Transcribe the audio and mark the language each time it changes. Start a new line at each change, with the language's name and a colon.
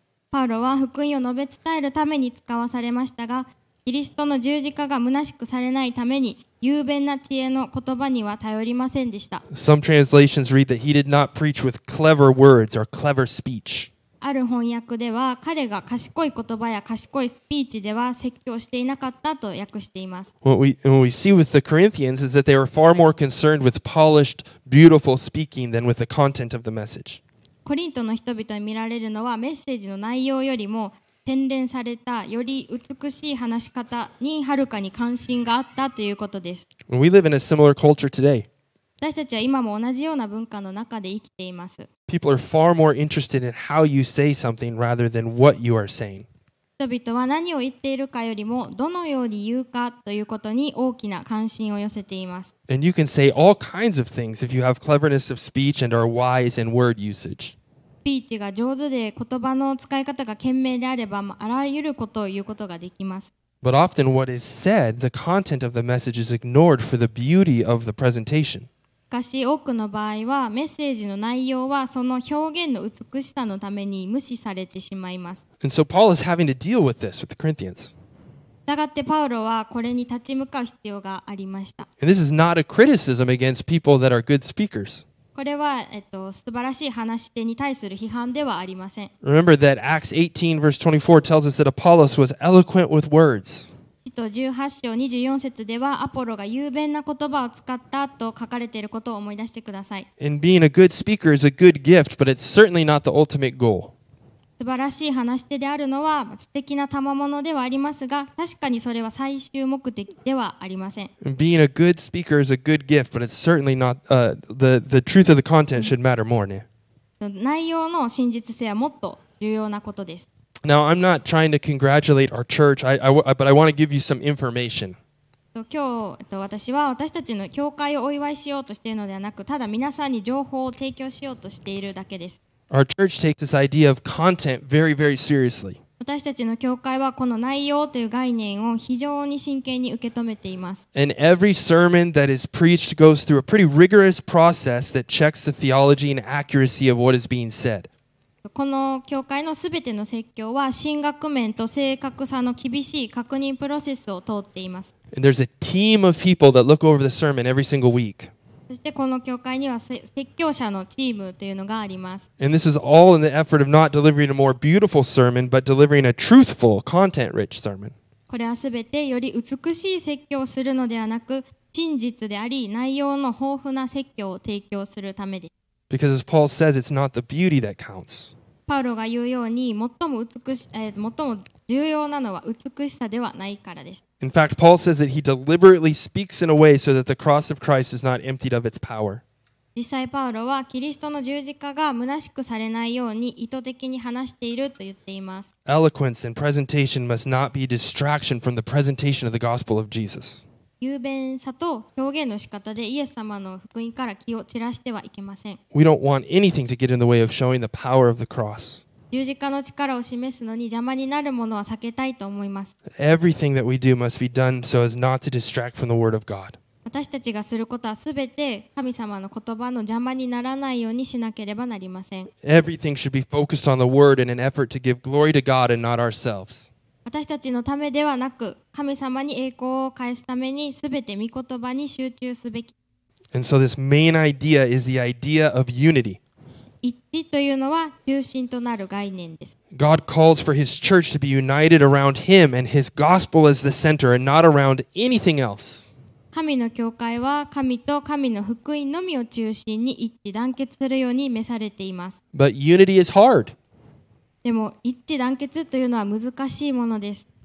Japanese: パウロは福音を述べ伝えるために使わされましたが、キリストの十字架が虚しくされないために雄弁な知恵の言葉には頼りませんでした。
English: Some translations read that he did not preach with clever words or clever speech.
Japanese: ある翻訳では彼が賢い言葉や賢いスピーチでは説教していなかったと訳しています。
English: What we see with the Corinthians is that they were far more concerned with polished, beautiful speaking than with the content of the message.
Japanese: コリントの人々に見られるのはメッセージの内容よりも洗練されたより美しい話し方にはるかに関心があったということです。
English: We live in a similar culture today.
Japanese: 私たちは今も同じような文化の中で生きています。
English: People are far more interested in how you say something rather than what you are saying.
Japanese: 人々は何を言っているかよりもどのように言うかということに大きな関心を寄せています。
English: And you can say all kinds of things if you have cleverness of speech and are wise in word usage.
Japanese: スピーチが上手で言葉の使い方が賢明であれば、あらゆることを言うことができます。
English: But often what is said, the content of the message is ignored for the beauty of the presentation.
Japanese: しかし、多くの場合はメッセージの内容はその表現の美しさのために無視されてしまいます。
English: And so Paul is having to deal with this with the Corinthians.
Japanese: したがってパウロはこれに立ち向かう必要がありました。
English: And this is not a criticism against people that are good speakers.
Japanese: これは、素晴らしい話し手に対する批判ではありません。
English: Remember that Acts 18 verse 24 tells us that Apollos was eloquent with words.
Japanese: 使徒18章24節ではアポロが雄弁な言葉を使ったと書かれていることを思い出してください。
English: And being a good speaker is a good gift, but it's certainly not the ultimate goal.
Japanese: 素晴らしい話し手であるのは素敵な賜物ではありますが、確かにそれは最終目的ではありません。
English: Being a good speaker is a good gift, but it's certainly not, the truth of the content should matter more, ね。
Japanese: 内容の真実性はもっと重要なことです。
English: Now, I'm not trying to congratulate our church, but I want to give you some information.
Japanese: 今日、私は私たちの教会をお祝いしようとしているのではなく、ただ皆さんに情報を提供しようとしているだけです。
English: Our church takes this idea of content very, very seriously.
Japanese: 私たちの教会はこの内容という概念を非常に真剣に受け止めています。
English: And every sermon that is preached goes through a pretty rigorous process that checks the theology and accuracy of what is being said.
Japanese: この教会のすべての説教は神学面と正確さの厳しい確認プロセスを通っています。
English: And there's a team of people that look over the sermon every single week.
Japanese: そしてこの教会には説教者のチームというのがあります。
English: And this is all in the effort of not delivering a more beautiful sermon, but delivering a truthful, content-rich sermon.
Japanese: これはすべてより美しい説教をするのではなく、真実であり、内容の豊富な説教を提供するためです。
English: Because as Paul says, it's not the beauty that counts.
Japanese: パウロが言うように、最も重要なのは美しさではないからです。
English: In fact, Paul says that he deliberately speaks in a way so that the cross of Christ is not emptied of its power.
Japanese: 実際パウロはキリストの十字架が虚しくされないように意図的に話していると言っています。
English: Eloquence and presentation must not be a distraction from the presentation of the gospel of Jesus.
Japanese: 雄弁さと表現の仕方でイエス様の福音から気を散らしてはいけません。
English: We don't want anything to get in the way of showing the power of the cross.
Japanese: 十字架の力を示すのに邪魔になるものは避けたいと思います。
English: Everything that we do must be done so as not to distract from the word of God.
Japanese: 私たちがすることはすべて神様の言葉の邪魔にならないようにしなければなりません。
English: Everything should be focused on the word in an effort to give glory to God and not ourselves.
Japanese: 私たちのためではなく、神様に栄光を返すためにすべて御言葉に集中すべき。
English: And so this main idea is the idea of unity.
Japanese: 一致というのは中心となる概念です。
English: God calls for His church to be united around Him and His gospel as the center and not around anything else.
Japanese: 神の教会は神と神の福音のみを中心に一致団結するように召されています。
English: But unity is hard.
Japanese: でも一致団結というのは難しいものです。